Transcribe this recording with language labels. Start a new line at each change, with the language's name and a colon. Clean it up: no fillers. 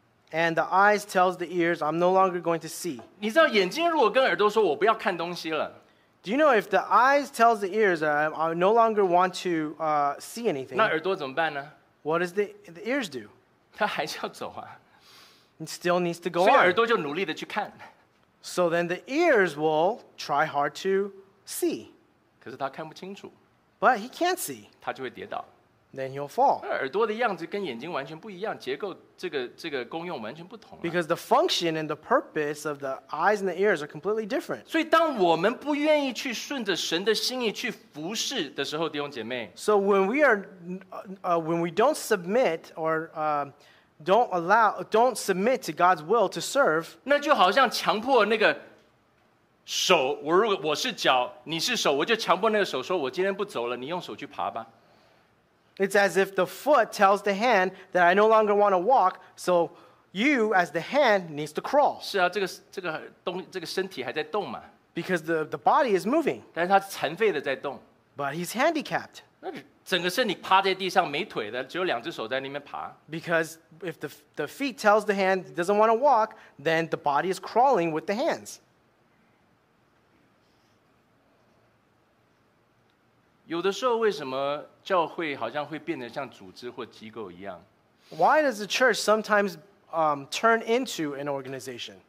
English: And the eyes tells the ears, I'm no longer going to see.
Chinese: 你知道眼睛如果跟耳朵说我不要看东西了。
English: Do you know if the eyes tells the ears, I no longer want to see anything?
Chinese: 那耳朵怎么办呢？
English: What does the ears do?
Chinese: 它还是要走啊。
English: It still needs to go on.
Chinese: 所以耳朵就努力地去看。
English: So then the ears will try hard to see.
Chinese: 可是他看不清楚。
English: But he can't see.
Chinese: 他就会跌倒。
English: Then he'll fall.
Chinese: 耳朵的样子跟眼睛完全不一样，结构这个功用完全不同。
English: Because the function and the purpose of the eyes and the ears are completely different.
Chinese: 所以当我们不愿意去顺着神的心意去服事的时候，弟兄姐妹。
English: So when we are, when we don't submit or, don't submit to God's will to serve.
Chinese: 那就好像强迫那个手，我如果我是脚，你是手，我就强迫那个手说，我今天不走了，你用手去爬吧。
English: It's as if the foot tells the hand that I no longer want to walk, so you as the hand needs to crawl.
Chinese: 是啊，这个身体还在动嘛。
English: Because the body is moving.
Chinese: 但是它残废的在动。
English: But he's handicapped.
Chinese: 那整个身体趴在地上没腿的，只有两只手在那边爬。
English: Because if the feet tells the hand it doesn't want to walk, then the body is crawling with the hands.
Chinese: 有的时候为什么教会好像会变得像组织或机构一样？
English: Why does the church sometimes turn into an organization?